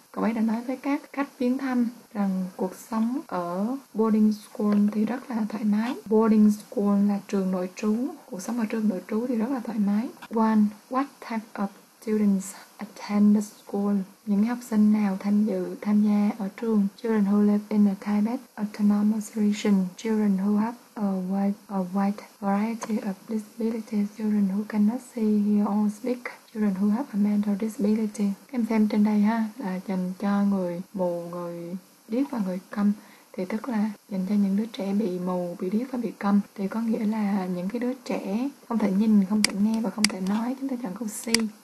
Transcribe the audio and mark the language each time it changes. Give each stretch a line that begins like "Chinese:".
Vietnamese: Cậu ấy đã nói với các khách viếng thăm rằng cuộc sống ở boarding school thì rất là thoải mái. Boarding school là trường nội trú. Cuộc sống ở trường nội trú thì rất là thoải mái.
English: One, what type of students attend the school?
Vietnamese: Những học sinh nào tham gia ở trường?
English: Children who live in the Tibet Autonomous Region. Children who have a wide variety of disabilities. Children who cannot see, hear or speak. Children who have a mental disability.
Vietnamese: Các em xem trên đây ha, là dành cho người mù, người điếc và người câm. Thì tức là dành cho những đứa trẻ bị mù, bị điếc và bị câm. Thì có nghĩa là những cái đứa trẻ không thể nhìn, không thể nghe và không thể nói. Chúng ta chọn câu C.